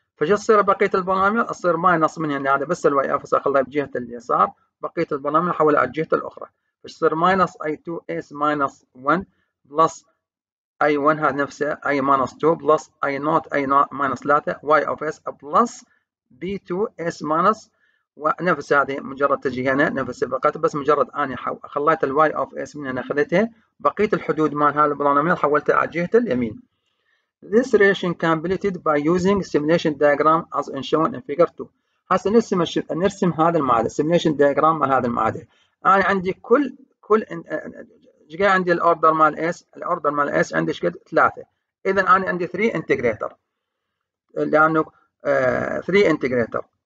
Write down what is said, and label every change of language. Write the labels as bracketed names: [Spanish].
[Arabic] فش يصير بقيه البولينوميال يصير ماينص من هنا هذا بس الواي اف اخليها بجهه اليسار بقيه البولينوميال احولها على الجهه الاخرى فش يصير ماينص اي 2 اس ماينص 1 بلس اي 1 هذا نفسه اي ماينص 2 بلس اي نوت اي نوت ماينص 3 واي اوف اس بلس بي 2 اس ماينص ونفس هذه مجرد تجي هنا نفس البقيه بس مجرد اني خليت الواي اوف اس من هنا اخذتها بقيه الحدود مال هذا البولينوميال حولتها على الجهه اليمين. [English] This relation completed by using simulation diagram as shown in figure 2. [Arabic] هسه نرسم هذا المعادله simulation diagram مال هذا المعادله. انا عندي كل ايش قاعد عندي الاوردر مال اس؟ الاوردر مال اس عندي ايش قد؟ ثلاثه. اذا انا عندي 3 انتجريتر. لانه 3 انتجريتر.